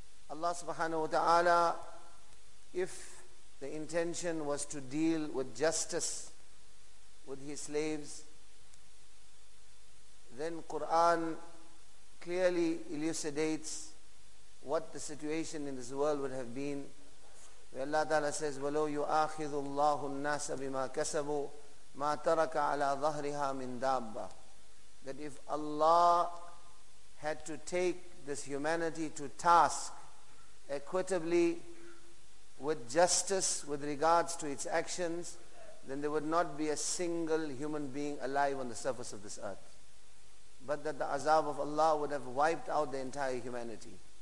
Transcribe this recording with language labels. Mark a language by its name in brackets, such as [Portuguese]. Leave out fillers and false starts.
[English] Allah subhanahu wa ta'ala, if the intention was to deal with justice with his slaves, then Quran clearly elucidates what the situation in this world would have been. [Arabic] Where Allah Ta'ala says, وَلَوْ يُؤَاخِذُ اللَّهُ النَّاسَ بِمَا كَسَبُوا مَا تَرَكَ عَلَىٰ ظَهْرِهَا مِنْ دَابَّةِ. [English] That if Allah had to take this humanity to task equitably with justice with regards to its actions, then there would not be a single human being alive on the surface of this earth, but that the azab of Allah would have wiped out the entire humanity.